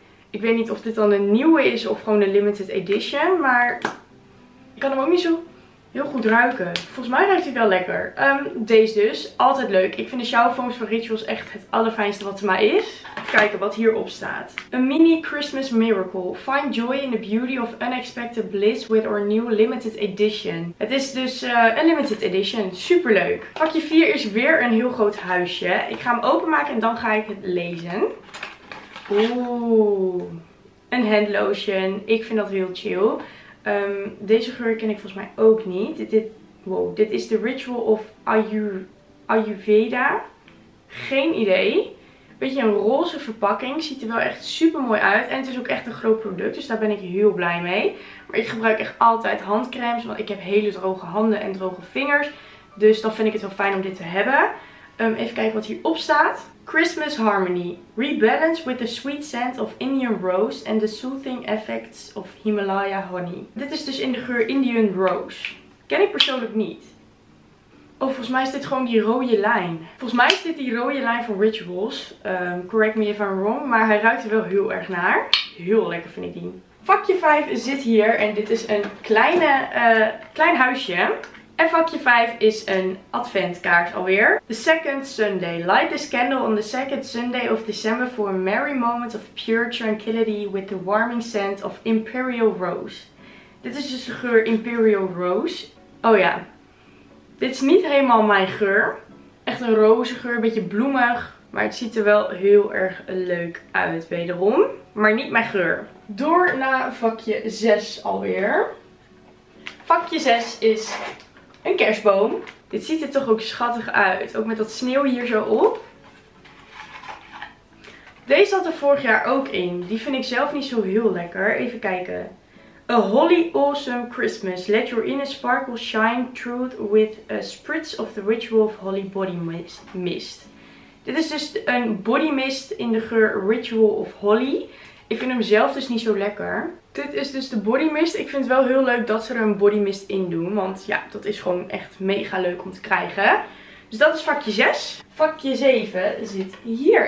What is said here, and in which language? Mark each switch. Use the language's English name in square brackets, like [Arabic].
[Dutch] Ik weet niet of dit dan een nieuwe is of gewoon een limited edition. Maar ik kan hem ook niet zo heel goed ruiken. Volgens mij ruikt hij wel lekker. Deze dus. Altijd leuk. Ik vind de shower foams van Rituals echt het allerfijnste wat er maar is. Even kijken wat hierop staat. [English] A mini Christmas miracle. Find joy in the beauty of unexpected bliss with our new limited edition. [Dutch] Het is dus een limited edition. Super leuk. Pakje 4 is weer een heel groot huisje. Ik ga hem openmaken en dan ga ik het lezen. Oeh. Een hand lotion. Ik vind dat heel chill. Deze geur ken ik volgens mij ook niet. Dit is de Ritual of Ayurveda. Geen idee. Beetje een roze verpakking. Ziet er wel echt super mooi uit. En het is ook echt een groot product. Dus daar ben ik heel blij mee. Maar ik gebruik echt altijd handcremes. Want ik heb hele droge handen en droge vingers. Dus dan vind ik het wel fijn om dit te hebben. Even kijken wat hierop staat. [English] Christmas Harmony. Rebalance with the sweet scent of Indian Rose and the soothing effects of Himalaya Honey. [Dutch] Dit is dus in de geur Indian Rose. Ken ik persoonlijk niet. Oh, volgens mij is dit gewoon die rode lijn. Volgens mij is dit die rode lijn van Rituals. [English] Correct me if I'm wrong, [Dutch] maar hij ruikt er wel heel erg naar. Heel lekker vind ik die. Vakje 5 zit hier en dit is een klein huisje. En vakje 5 is een adventkaart alweer. [English] The second Sunday. Light this candle on the second Sunday of December for a merry moment of pure tranquility with the warming scent of Imperial Rose. [Dutch] Dit is dus de geur Imperial Rose. Oh ja. Dit is niet helemaal mijn geur. Echt een roze geur, een beetje bloemig. Maar het ziet er wel heel erg leuk uit wederom. Maar niet mijn geur. Door naar vakje 6 alweer. Vakje 6 is... een kerstboom. Dit ziet er toch ook schattig uit. Ook met dat sneeuw hier zo op. Deze zat er vorig jaar ook in. Die vind ik zelf niet zo heel lekker. Even kijken. [English] A holly awesome Christmas. Let your inner sparkle shine through with a spritz of the Ritual of Holly Body Mist. [Dutch] Dit is dus een body mist in de geur Ritual of Holly. Ik vind hem zelf dus niet zo lekker. Dit is dus de body mist. Ik vind het wel heel leuk dat ze er een body mist in doen. Want ja, dat is gewoon echt mega leuk om te krijgen. Dus dat is vakje 6. Vakje 7 zit hier.